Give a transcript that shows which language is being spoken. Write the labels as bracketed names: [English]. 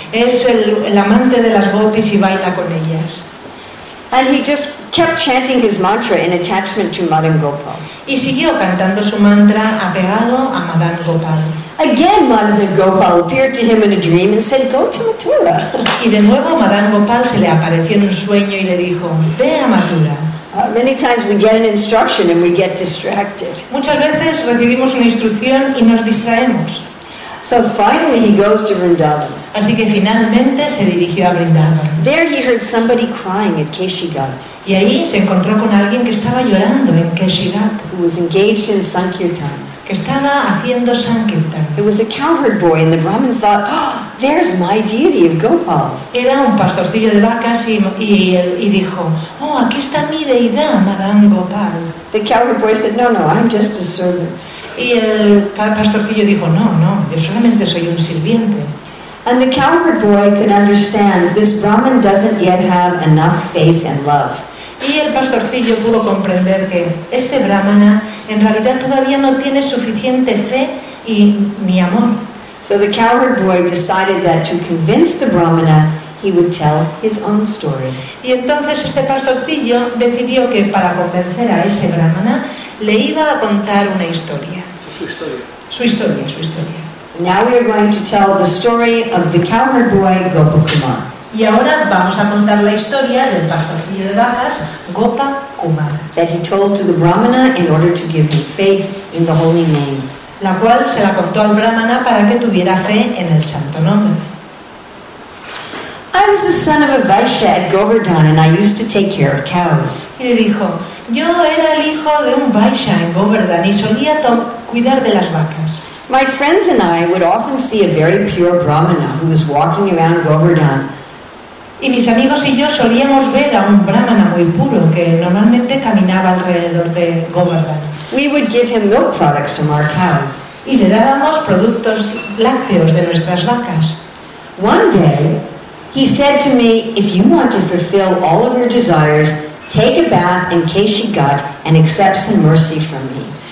[Spanish] Es el amante de las gopis y baila con ellas. [English] And he just kept chanting his mantra in attachment to Madan Gopal. [Spanish] Y siguió cantando su mantra apegado a Madan Gopal. [English] Again, Madan Gopal appeared to him in a dream and said, "Go to Mathura." [Spanish] Y de nuevo Madan Gopal se le apareció en un sueño y le dijo, "Ve a Mathura." [English] Many times we get an instruction and we get distracted. [Spanish] Muchas veces recibimos una instrucción y nos distraemos. [English] So finally, he goes to Vrindavan. [Spanish] Así que finalmente se dirigió a Vrindavan. [English] There he heard somebody crying at Keshigat. [Spanish] Y ahí se encontró con alguien que estaba llorando en Keshigat. [English] Who was engaged in sankirtan. [Spanish] Que estaba haciendo sankirtan. [English] It was a cowherd boy, and the Brahmin thought, "Oh, there's my deity of Gopal." [Spanish] Era un pastorcillo de vacas y dijo, "Oh, aquí está mi deidad, Madan Gopal." [English] The cowherd boy said, "No, I'm just a servant." [Spanish] Y el pastorcillo dijo, no, yo solamente soy un sirviente. [English] And the cowherd boy could understand this Brahmin doesn't yet have enough faith and love. [Spanish] Y el pastorcillo pudo comprender que este brahmana en realidad todavía no tiene suficiente fe y ni amor. [English] So the cowherd boy decided that to convince the brahmana, he would tell his own story. [Spanish] Y entonces este pastorcillo decidió que para convencer a ese brahmana le iba a contar una historia. Su historia. [English] Now we are going to tell the story of the cowherd boy Gopakumar. [Spanish] Y ahora vamos a contar la historia del pastorcillo de vacas Gopakumar. [English] That he told to the brahmana in order to give him faith in the holy name. [Spanish] La cual se la contó al brahmana para que tuviera fe en el santo nombre. [English] I was the son of a vaishya at Govardhan and I used to take care of cows. [Spanish] Y le dijo, yo era el hijo de un vaishya en Govardhan y solía cuidar de las vacas. [English] My friends and I would often see a very pure brahmana who was walking around Govardhan. [Spanish] Y mis amigos y yo solíamos ver a un brahmana muy puro que normalmente caminaba alrededor de Govardhan. [English] We would give him milk products from our cows. [Spanish] Y le dábamos productos lácteos de nuestras vacas. [English] One day, he said to me, "If you want to fulfill all of your desires, take a bath in Keshigat and accept some mercy from me."